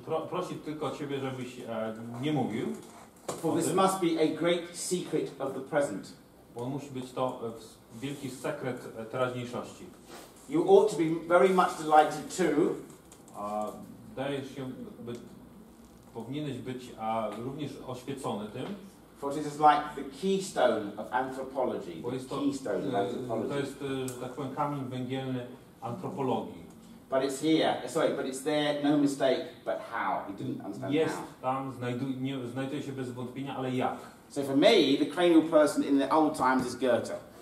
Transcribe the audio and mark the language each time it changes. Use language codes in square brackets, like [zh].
[pl] Prosi tylko ciebie, żebyś nie mówił. [en] For this must be a great secret of the present. [pl] Bo musi być to wielki sekret teraźniejszości. [en] You ought to be very much delighted too. [pl] Dajesz się, powinieneś być również oświecony tym. [en] For this is like the keystone of anthropology. [pl] To jest, tak powiem, kamień węgielny antropologii. [en] But it's here. Sorry, but it's there. No mistake. But how? He didn't understand. Yes, how. [pl] Tam znajduje się bez wątpienia, ale jak? [en] So for me, the cranial person in the old times is Goethe.